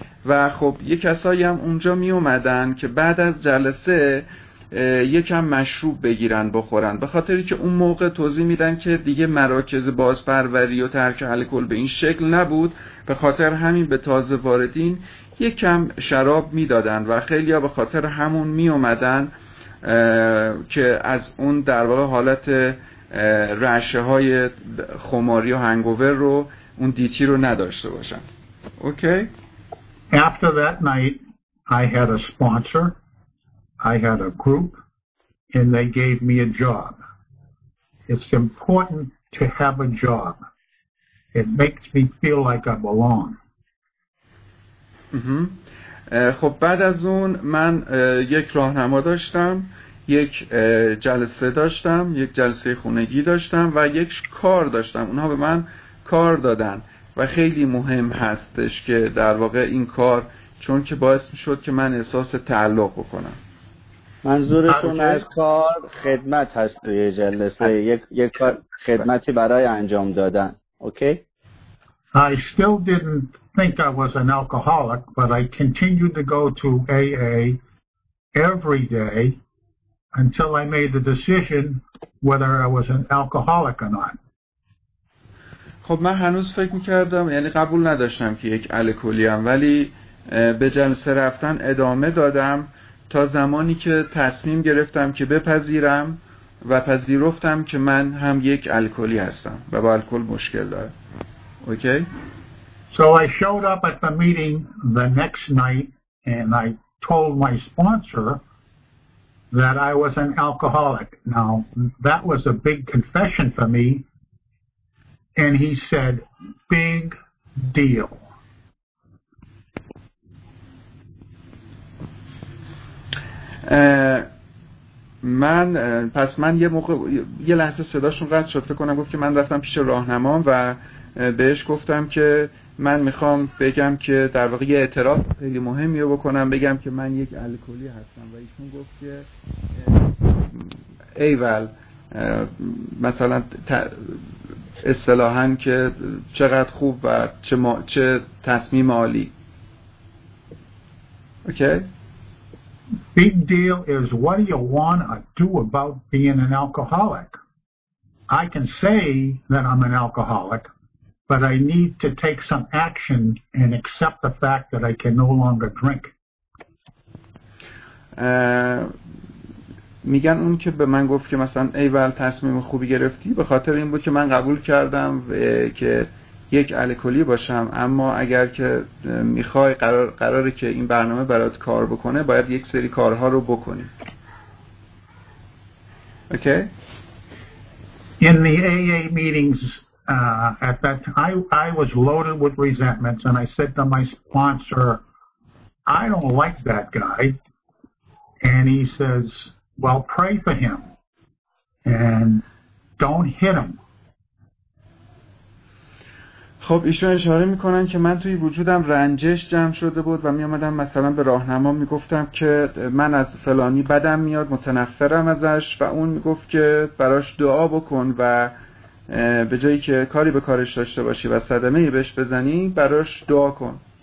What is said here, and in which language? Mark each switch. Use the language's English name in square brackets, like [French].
[Persian] و خب یه کسایی هم اونجا می اومدن که بعد از جلسه یکم مشروب بگیرن بخورن، به خاطری که اون موقع توضیح میدن که دیگه مراکز بازپروری و ترک الکل به این شکل نبود، به خاطر همین به تازه واردین یکم شراب میدادن و خیلی ها به خاطر همون می اومدن که از اون در واقع حالت رعشه های خماری و هنگوور رو، اون دیتی رو نداشته باشن. اوکی. [English] After that night I had a sponsor, I had a group, and they gave me a job. It's important to have a job. It makes me feel like I belong. [Persian] خب بعد از اون من یک راهنما داشتم، یک جلسه داشتم، یک جلسه خونگی داشتم و یک کار داشتم. اونها به من کار دادن و خیلی مهم هستش که در واقع این کار، چون که باعث میشد که من احساس تعلق بکنم. منظورتون از کار خدمت هست توی جلسه، یک کار خدمتی برای انجام دادن. اوکی. [English] I still didn't think I was an alcoholic, but I continued to go to AA every day until I made the decision whether I was an alcoholic or not. [Persian] خب من هنوز فکر می‌کردم، یعنی قبول نداشتم که یک الکلی‌ام، ولی به جلسه رفتن ادامه دادم تا زمانی که تصمیم گرفتم که بپذیرم و پذیرفتم که من هم یک الکلی هستم و با الکل مشکل دارم. اوکی. [English] So I showed up at the meeting the next night and I told my sponsor that I was an alcoholic. Now, that was a big confession for me. And he said, big deal. [Persian] یه لحظه صداشون قطع شد، فکر کنم گفت که من رفتم پیش راهنمام و بهش گفتم که من میخوام بگم که در واقع یه اعتراف خیلی مهمی رو بکنم، بگم که من یک الکلی هستم. و ایشون گفت که ایول، مثلا اصطلاحاً که چقدر خوب و چه تصمیم عالی. اوکی. [English] big deal is what do you want to do about being an alcoholic? I can say that I'm an alcoholic, but I need to take some action and accept the fact that I can no longer drink. [Persian] میگن اون که به من گفت که مثلا ایول تصمیم خوبی گرفتی به خاطر این بود که من قبول کردم که یک الکلی باشم، اما اگر که میخوای قراره که این برنامه برات کار بکنه باید یک سری کارها رو بکنی. اوکی؟ [English] In the AA meetings at that time, I was loaded with resentments and I said to my sponsor, I don't like that guy. And he says, well, pray for him and don't hit him. [Persian] خب ایشون اشاره میکنن که من توی وجودم رنجش جمع شده بود و میامدم مثلا به راهنما میگفتم که من از فلانی بدم میاد، متنفرم ازش، و اون میگفت که براش دعا بکن و به جایی که کاری به کارش داشته باشی و صدمه ای بهش بزنی براش دعا کن.